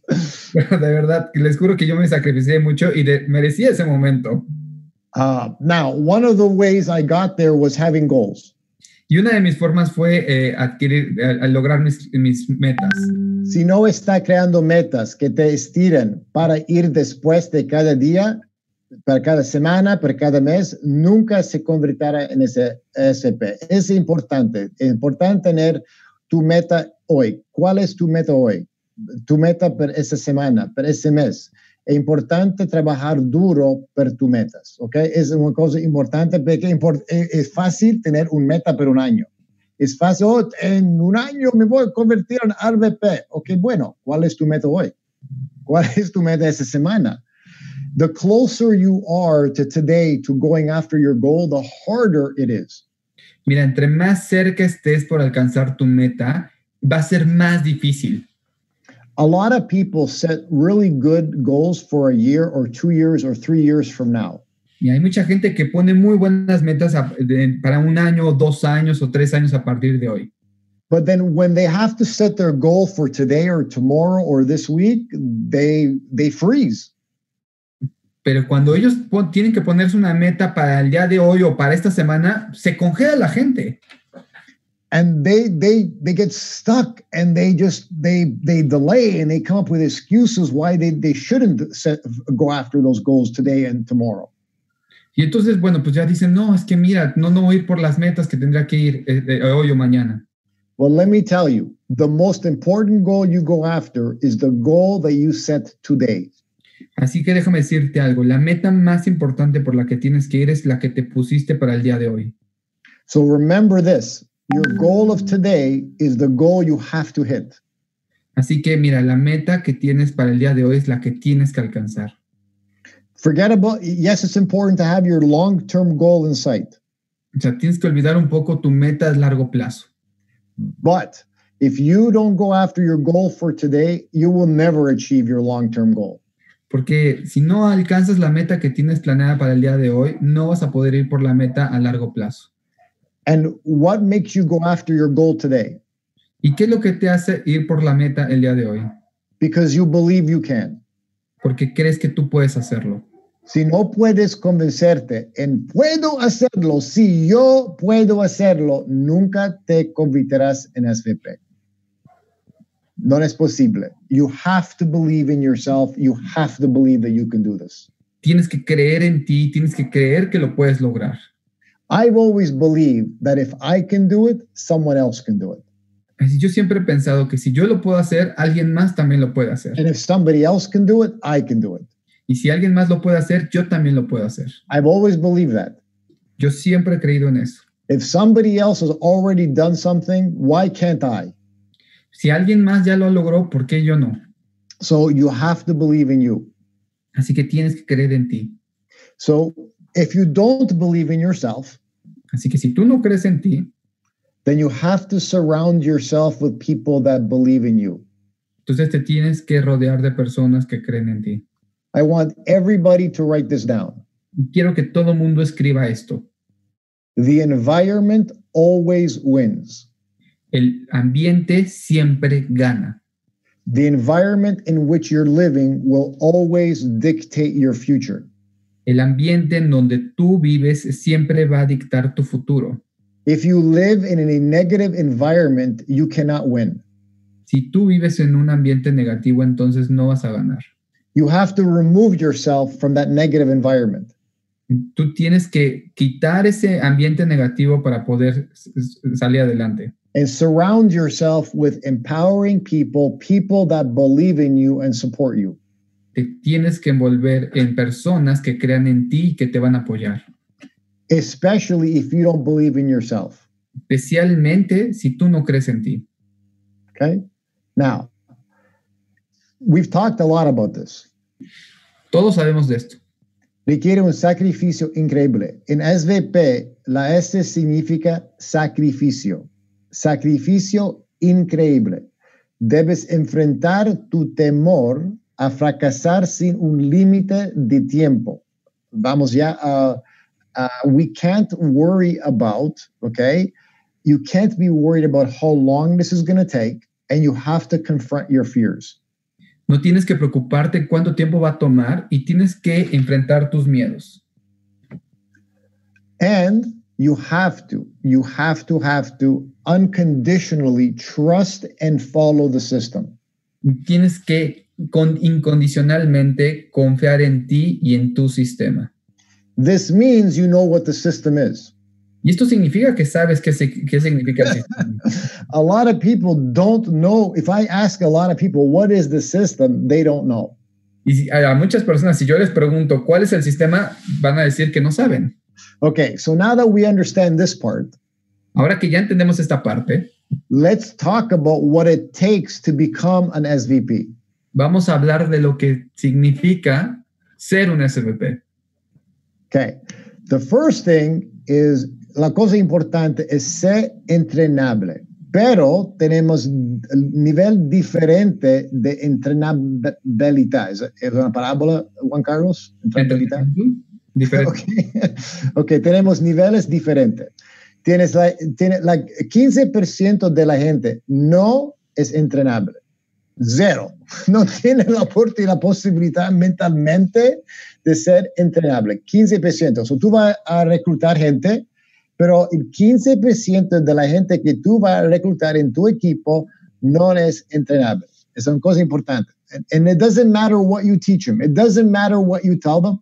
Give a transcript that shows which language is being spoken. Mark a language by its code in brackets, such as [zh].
[es] De verdad, les juro que yo me sacrificé mucho y merecí ese momento. [en] Now, one of the ways I got there was having goals. [es] Y una de mis formas fue lograr mis metas. Si no está creando metas que te estiren para ir después de cada día, para cada semana, para cada mes, nunca se convertirá en ese SP. Es importante. Es importante tener tu meta hoy. ¿Cuál es tu meta hoy? Tu meta para esa semana, para ese mes. Es importante trabajar duro para tus metas, ¿ok? Es una cosa importante porque es fácil tener un meta para un año. Es fácil, oh, en un año me voy a convertir en RVP. Ok, bueno, ¿cuál es tu meta hoy? ¿Cuál es tu meta esa semana? [en] The closer you are to today to going after your goal, the harder it is. [es] Mira, entre más cerca estés por alcanzar tu meta, va a ser más difícil. [en] A lot of people set really good goals for a year or 2 years or 3 years from now. [es] Y hay mucha gente que pone muy buenas metas para un año o 2 años o 3 años a partir de hoy. [en] But then when they have to set their goal for today or tomorrow or this week, they freeze. [es] Pero cuando ellos tienen que ponerse una meta para el día de hoy o para esta semana, se congela la gente. [en] And they get stuck and they delay and they come up with excuses why they shouldn't go after those goals today and tomorrow. [es] Y entonces, bueno, pues ya dicen, no, es que mira, no voy a ir por las metas que tendría que ir hoy o mañana. [en] Well, let me tell you, the most important goal you go after is the goal that you set today. [es] Así que déjame decirte algo, la meta más importante por la que tienes que ir es la que te pusiste para el día de hoy. [en] So remember this. Your goal of today is the goal you have to hit. [es] Así que mira, la meta que tienes para el día de hoy es la que tienes que alcanzar. [en] Forget about, yes, it's important to have your long-term goal in sight. [es] O sea, tienes que olvidar un poco tu meta a largo plazo. [en] But if you don't go after your goal for today, you will never achieve your long-term goal. [es] Porque si no alcanzas la meta que tienes planeada para el día de hoy, no vas a poder ir por la meta a largo plazo. [en] And what makes you go after your goal today? [es] ¿Y qué es lo que te hace ir por la meta el día de hoy? [en] Because you believe you can. [es] Porque crees que tú puedes hacerlo. Si no puedes convencerte en puedo hacerlo, si yo puedo hacerlo, nunca te convertirás en SVP. No es posible. [en] You have to believe in yourself. You have to believe that you can do this. [es] Tienes que creer en ti. Tienes que creer que lo puedes lograr. [en] I've always believed that if I can do it, someone else can do it. [es] Yo siempre he pensado que si yo lo puedo hacer, alguien más también lo puede hacer. [en] And if somebody else can do it, I can do it. [es] Y si alguien más lo puede hacer, yo también lo puedo hacer. [en] I've always believed that. [es] Yo siempre he creído en eso. [en] If somebody else has already done something, why can't I? [es] Si alguien más ya lo logró, ¿por qué yo no? [en] So you have to believe in you. [es] Así que tienes que creer en ti. [en] So if you don't believe in yourself, [es] así que si tú no crees en ti, [en] then you have to surround yourself with people that believe in you. [es] Entonces te tienes que rodear de personas que creen en ti. [en] I want everybody to write this down. [es] Y quiero que todo mundo escriba esto. [en] The environment always wins. [es] El ambiente siempre gana. [en] The environment in which you're living will always dictate your future. [es] El ambiente en donde tú vives siempre va a dictar tu futuro. [en] If you live in a negative environment, you cannot win. [es] Si tú vives en un ambiente negativo, entonces no vas a ganar. [en] You have to remove yourself from that negative environment. [es] Tú tienes que quitar ese ambiente negativo para poder salir adelante. [en] And surround yourself with empowering people, people that believe in you and support you. [es] Te tienes que envolver en personas que crean en ti y que te van a apoyar. [en] Especially if you don't believe in yourself. [es] Especialmente si tú no crees en ti. [en] Okay. Now, We've talked a lot about this. [es] Todos sabemos de esto. Requiere un sacrificio increíble. En SVP, la S significa sacrificio. Sacrificio increíble. Debes enfrentar tu temor a fracasar sin un límite de tiempo. Vamos ya a... [en] we can't worry about, okay? You can't be worried about how long this is going to take, and you have to confront your fears. [es] No tienes que preocuparte cuánto tiempo va a tomar y tienes que enfrentar tus miedos. [en] And you have to unconditionally trust and follow the system. [es] Tienes que incondicionalmente confiar en ti y en tu sistema. [en] This means you know what the system is. [es] ¿Y esto significa que sabes qué significa el sistema? [en] A lot of people don't know. If I ask a lot of people, what is the system? They don't know. [es] Y si, a muchas personas, si yo les pregunto, ¿cuál es el sistema? Van a decir que no saben. [en] Okay, so now that we understand this part. [es] Ahora que ya entendemos esta parte. [en] Let's talk about what it takes to become an SVP. [es] Vamos a hablar de lo que significa ser un SVP. [en] Okay, the first thing is, [es] la cosa importante es ser entrenable, pero tenemos nivel diferente de entrenabilidad. ¿Es una parábola, Juan Carlos? Entrenabilidad. Diferente. Okay. Ok, tenemos niveles diferentes. Tienes 15% de la gente no es entrenable. Zero. No tiene el aporte y la posibilidad mentalmente de ser entrenable. 15%. O sea, tú vas a reclutar gente, pero el 15% de la gente que tú vas a reclutar en tu equipo no es entrenable. Es una cosa importante. [en] And it doesn't matter what you teach them. It doesn't matter what you tell them.